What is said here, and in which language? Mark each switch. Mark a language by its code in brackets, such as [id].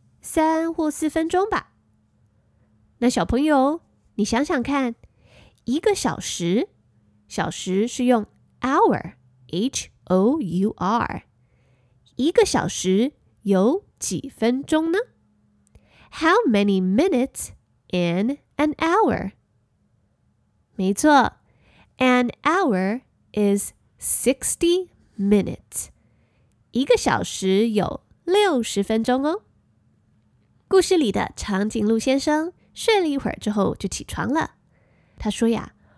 [zh] 3或4分钟吧。那小朋友，你想想看，一个小时，小时是用 hour, H-O-U-R。一个小时有几分钟呢？ [en] How many minutes in an hour? [zh] 没错， [en] an hour is 60 minutes. [zh] 一个小时有60分钟哦。故事里的长颈鹿先生睡了一会儿之后就起床了。他说呀，